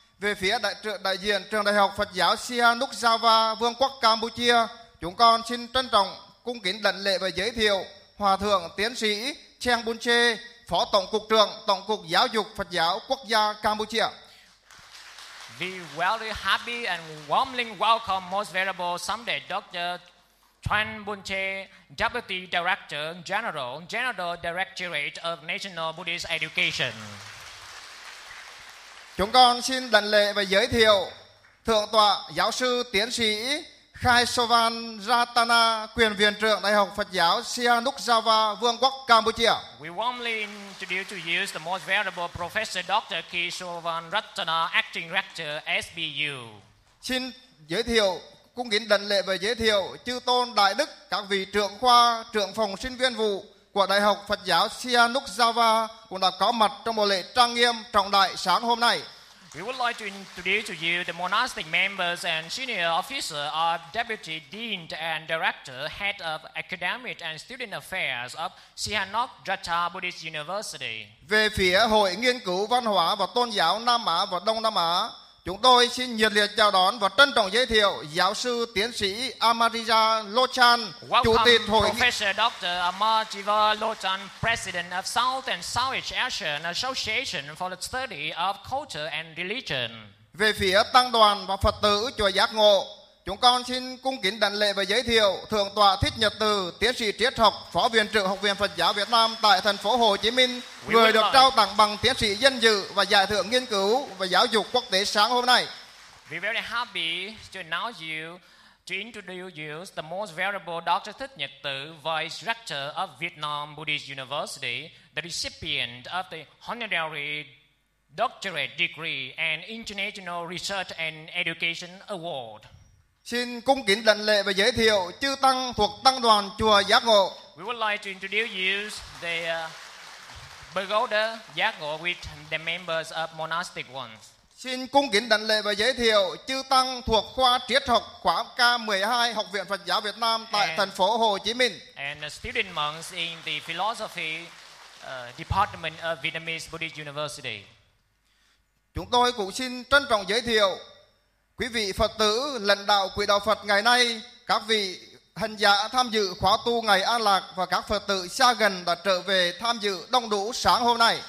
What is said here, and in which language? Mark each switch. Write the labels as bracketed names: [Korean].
[Vietnamese] Về phía đại diện Trường Đại học Phật giáo Sihanouk Java, Vương quốc Campuchia, chúng con xin trân trọng cung kính đảnh lễ và giới thiệu Hòa Thượng Tiến sĩ Cheng Bun Che, Phó Tổng Cục trưởng Tổng Cục Giáo dục Phật giáo Quốc gia Campuchia. [English] We very happy and warmly welcome Most Venerable Someday Dr. Chuan Bun Che, Deputy Director General, General Directorate of National Buddhist Education. [Vietnamese] Chúng con xin đảnh lễ và giới thiệu Thượng tọa Giáo sư Tiến sĩ Khai Sovan Ratana, Quyền Viện trưởng Đại học Phật giáo Sihanouk Java, Vương quốc Campuchia. [English] We warmly introduce to you the most venerable Professor Dr. Khai Sovan Ratana, Acting Rector, SBU. [Vietnamese] Xin giới thiệu, cung kính đảnh lễ và giới thiệu Chư Tôn Đại Đức, các vị trưởng khoa, trưởng phòng sinh viên vụ của Đại học Phật giáo Sihanouk Java cũng đã có mặt trong một lễ trang nghiêm trọng đại sáng hôm nay. [English] We would like to introduce to you the monastic members and senior officer of Deputy Dean and Director, Head of Academic and Student Affairs of Sihanouk Ratcha Buddhist University. [Vietnamese] Về phía Hội Nghiên cứu Văn hóa và Tôn giáo Nam Á và Đông Nam Á, Chúng tôi xin nhiệt liệt chào đón và trân trọng giới thiệu giáo sư tiến sĩ Amarija Lochan, [English] Welcome [Vietnamese] chủ tịch hội [English] Professor Dr. Amarija Lochan, President of South and Southeast Asian Association for the Study of Culture and Religion. [Vietnamese] Về phía tăng đoàn và Phật tử chùa Giác Ngộ, chúng con xin cung kính đảnh lễ và giới thiệu Thượng tọa Thích Nhật Từ, tiến sĩ triết học, phó viện trưởng Học viện Phật giáo Việt Nam tại thành phố Hồ Chí Minh, người được trao tặng bằng tiến sĩ danh dự và giải thưởng nghiên cứu và giáo dục quốc tế sáng hôm nay. [English] We're very happy to announce you, to introduce you the most valuable Dr. Thích Nhật Từ, Vice Rector of Vietnam Buddhist University, the recipient of the honorary doctorate degree and international research and education award. [Vietnamese] Xin cung kính đảnh lễ và giới thiệu chư tăng thuộc tăng đoàn chùa Giác Ngộ. [English] We would like to introduce you the pagoda Giác Ngộ with the members of monastic ones. [Vietnamese] Xin cung kính đảnh lễ và giới thiệu chư tăng thuộc khoa triết học khóa K12 Học viện Phật giáo Việt Nam tại thành phố Hồ Chí Minh. [English] And the student monks in the philosophy department of Vietnamese Buddhist University. [Vietnamese] Chúng tôi cũng xin trân trọng giới thiệu quý vị Phật tử, lãnh đạo quỹ đạo Phật ngày nay, các vị hành giả tham dự khóa tu ngày An Lạc và các Phật tử xa gần đã trở về tham dự đông đủ sáng hôm nay.